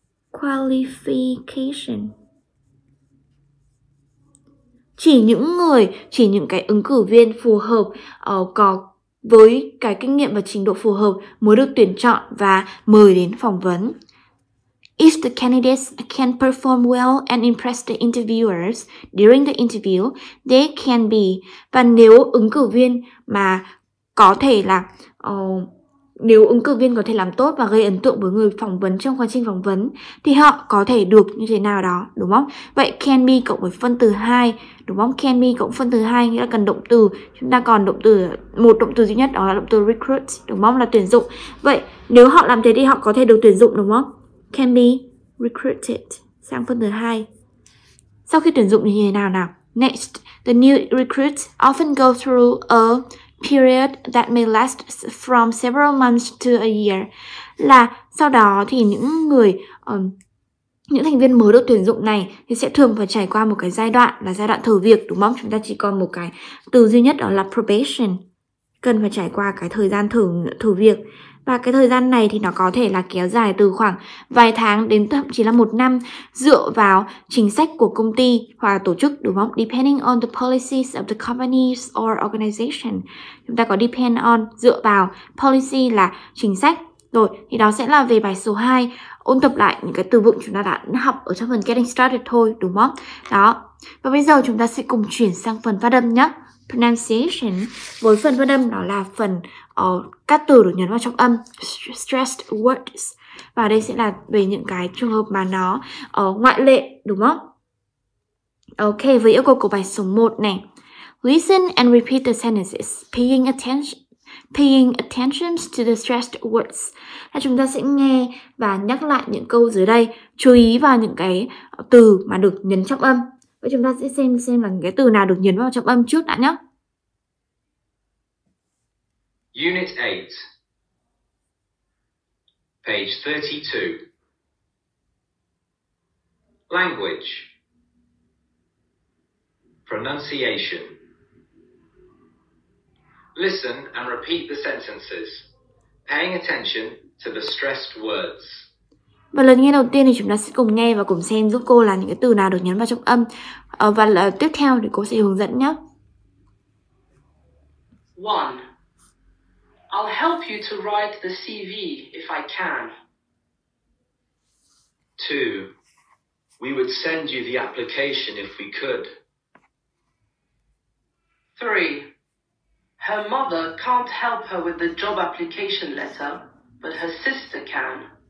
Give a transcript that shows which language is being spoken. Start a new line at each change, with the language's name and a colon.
English: Qualification.
Vietnamese: Chỉ những người, chỉ những cái ứng cử viên phù hợp, có với cái kinh nghiệm và trình độ phù hợp mới được tuyển chọn và mời đến phỏng vấn.
English: If the candidates can perform well and impress the interviewers during the interview, they can be.
Vietnamese: Và nếu ứng cử viên mà có thể là nếu ứng cử viên có thể làm tốt và gây ấn tượng với người phỏng vấn trong quá trình phỏng vấn thì họ có thể được như thế nào đó, đúng không? Vậy can be cộng với phân từ 2, đúng không? Can be cộng phân từ 2 nghĩa là cần động từ. Chúng ta còn động từ, một động từ duy nhất, đó là động từ recruit, đúng không? Là tuyển dụng. Vậy nếu họ làm thế thì họ có thể được tuyển dụng, đúng không?
English: Can be recruited
Vietnamese: sang phân từ 2. Sau khi tuyển dụng thì như thế nào nào?
English: Next, the new recruits often go through a period that may last from several months to a year.
Vietnamese: Là sau đó thì những người những thành viên mới được tuyển dụng này thì sẽ thường phải trải qua một cái giai đoạn, là giai đoạn thử việc, đúng không? Chúng ta chỉ còn một cái từ duy nhất, đó là probation. Cần phải trải qua cái thời gian thử việc. Và cái thời gian này thì nó có thể là kéo dài từ khoảng vài tháng đến thậm chí là một năm, dựa vào chính sách của công ty hoặc tổ chức, đúng không?
English: Depending on the policies of the companies or organization.
Vietnamese: Chúng ta có depend on, dựa vào, policy là chính sách. Rồi, thì đó sẽ là về bài số 2. Ôn tập lại những cái từ vựng chúng ta đã học ở trong phần Getting Started thôi, đúng không? Đó. Và bây giờ chúng ta sẽ cùng chuyển sang phần phát âm nhé. Pronunciation, với phần phát âm đó là phần các từ được nhấn vào trọng âm, stressed words. Và đây sẽ là về những cái trường hợp mà nó ngoại lệ, đúng không? Ok, với yêu cầu của bài số 1 này.
English: Listen and repeat the sentences, paying attention to the stressed words.
Vietnamese: Là chúng ta sẽ nghe và nhắc lại những câu dưới đây, chú ý vào những cái từ mà được nhấn trọng âm. Vậy chúng ta sẽ xem là cái từ nào được nhấn vào trọng âm trước đã nhé.
English: Unit 8, page 32. Language, pronunciation, Listen and repeat the sentences, paying attention to the stressed words.
Vietnamese: Và lần nghe đầu tiên thì chúng ta sẽ cùng nghe và cùng xem giúp cô là những cái từ nào được nhấn vào trọng âm. Và tiếp theo thì cô sẽ hướng dẫn nhé.
English: 1. I'll help you to write the CV if I can. 2. We would send you the application if we could. 3. Her mother can't help her with the job application letter, but her sister can.